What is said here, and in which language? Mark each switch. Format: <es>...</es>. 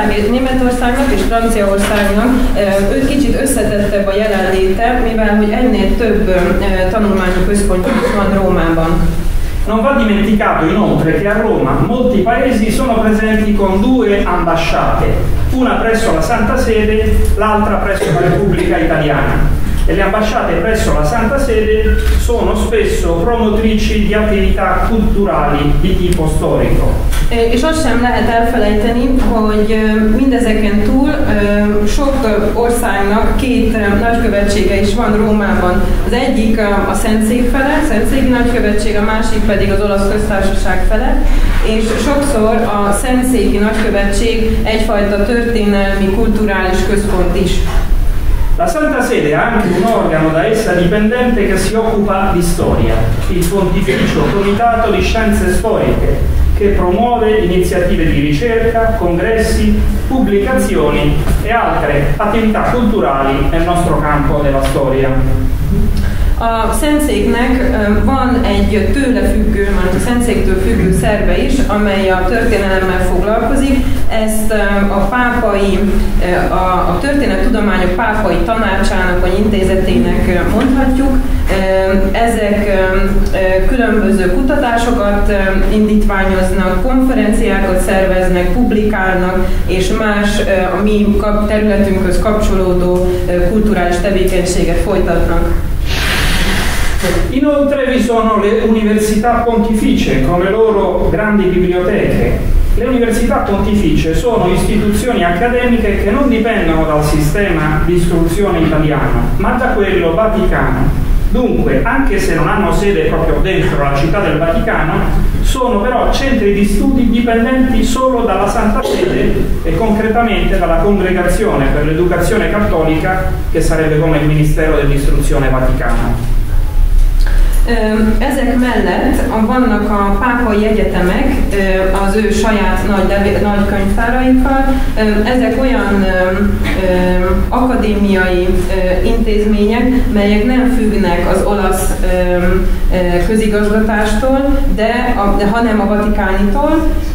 <hu>Németországnak és Franciaországnak ők kicsit összetettebb a jelenléte, mivel hogy ennél több tanulmányi központjuk van Rómában.</hu> <it>Non va dimenticato inoltre che a Roma molti paesi sono presenti con 2 ambasciate, una presso la Santa Sede, l'altra presso la Repubblica Italiana. E le ambasciate presso la Santa Sede sono spesso promotrici di attività culturali di tipo storico.</it> <hu>És azt sem lehet elfelejteni, hogy mindezeken túl sok országnak 2 nagykövetsége is van Rómában. Az egyik a Szentszék nagykövetség, a másik pedig az Olasz Köztársaság fele, és sokszor a Szentszéki nagykövetség egyfajta történelmi, kulturális központ is.</hu> <it>La Santa Sede ha anche un organo da essa dipendente che si occupa di storia, il Pontificio Comitato di Scienze Storiche, che promuove iniziative di ricerca, congressi, pubblicazioni e altre attività culturali nel nostro campo della storia.</it> <hu>A Szentszéknek van egy tőle függő, a Szentszéktől függő szerve is, amely a történelemmel foglalkozik. Ezt a pápai, a történettudományok pápai tanácsának vagy intézetének mondhatjuk. Ezek különböző kutatásokat indítványoznak, konferenciákat szerveznek, publikálnak, és más a mi területünkhöz kapcsolódó kulturális tevékenységet folytatnak.</hu> <it>Inoltre vi sono le università pontificie con le loro grandi biblioteche. Le università pontificie sono istituzioni accademiche che non dipendono dal sistema di istruzione italiano, ma da quello vaticano. Dunque, anche se non hanno sede proprio dentro la città del Vaticano, sono però centri di studi dipendenti solo dalla Santa Sede e concretamente dalla Congregazione per l'Educazione Cattolica, che sarebbe come il Ministero dell'Istruzione Vaticano.</it> <hu>Ezek mellett vannak a pápai egyetemek az ő saját nagy könyvtáraikkal. Ezek olyan akadémiai intézmények, melyek nem függnek az olasz közigazgatástól, hanem a Vatikánitól.</hu>